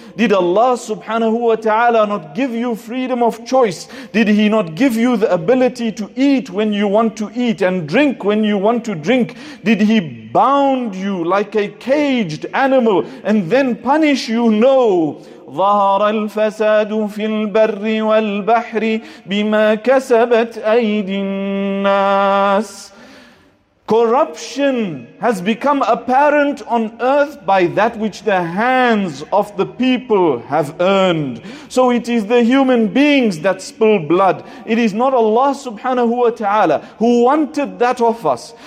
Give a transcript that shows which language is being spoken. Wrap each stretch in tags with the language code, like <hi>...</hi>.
<en>Did Allah subhanahu wa ta'ala not give you freedom of choice? Did He not give you the ability to eat when you want to eat and drink when you want to drink? Did He bound you like a caged animal and then punish you? No.</en> <ar>ظهر الفساد في البر والبحر بما كسبت أيدي الناس.</ar> <en>Corruption has become apparent on earth by that which the hands of the people have earned. So it is the human beings that spill blood. It is not Allah subhanahu wa ta'ala who wanted that of us.</en>